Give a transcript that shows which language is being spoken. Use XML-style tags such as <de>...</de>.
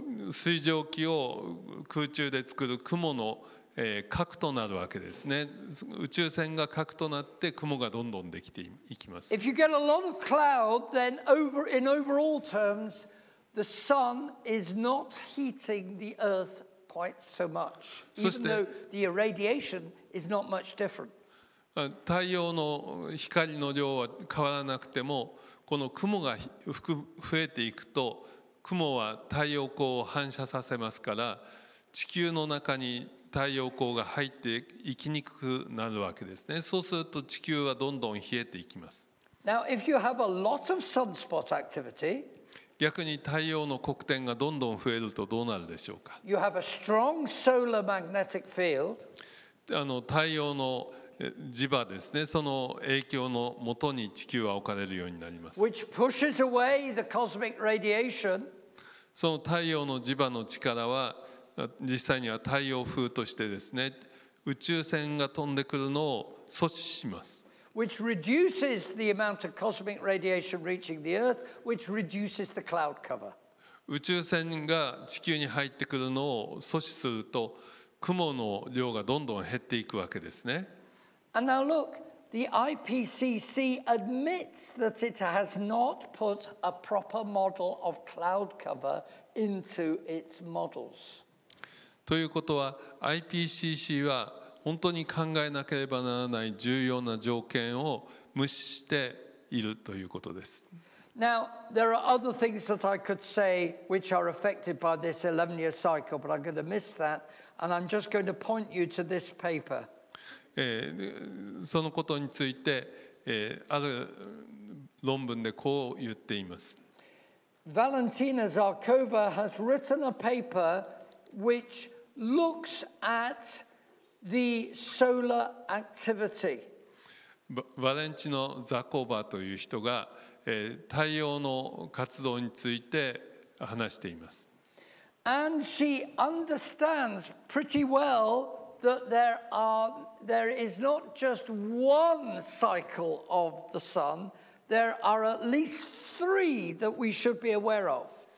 <ja>水蒸気を空中で作る雲の、核となるわけですね。宇宙船が核となって雲がどんどんできていきます。</ja> <en>If you get a lot of cloud, then over in overall terms, the sun is not heating the earth quite so much, even though the irradiation is not much different.</en> <ja>太陽の光の量は変わらなくてもこの雲が増えていくと雲は太陽光を反射させますから地球の中に太陽光が入っていきにくくなるわけですね。そうすると地球はどんどん冷えていきます。</ja> <en>Now, if you have a lot of sunspot activity,</en> <ja>逆に太陽の黒点がどんどん増えるとどうなるでしょうか。</ja> <en>You have a strong solar magnetic field.</en> <ja>太陽の磁場ですね、その影響のもとに地球は置かれるようになります。</ja> <en>Which pushes away the cosmic radiation.</en> <ja>その太陽の磁場の力は実際には太陽風としてですね、宇宙線が飛んでくるのを阻止します。</ja> <en>Which reduces the amount of cosmic radiation reaching the Earth, which reduces the cloud cover.</en> <ja>宇宙線が地球に入ってくるのを阻止すると雲の量がどんどん減っていくわけですね。</ja> <en>And now look, the IPCC admits that it has not put a proper model of cloud cover into its models.</en> <ja>ということは、IPCC は本当に考えなければならない重要な条件を無視しているということです。</ja> <en>Now, there are other things that I could say which are affected by this 11-year cycle, but I'm going to miss that, and I'm just going to point you to this paper.</en> <ja>そのことについて、ある論文でこう言っています。</ja> <en>Valentina Zarkova has written a paper which looks at the solar activity.</en> <ja>バレンチノ・ザコバという人が、太陽の活動について話しています。</ja> <en>And she understands pretty well that there is not just one cycle of the sun, there are at least three that we should be aware of.</en>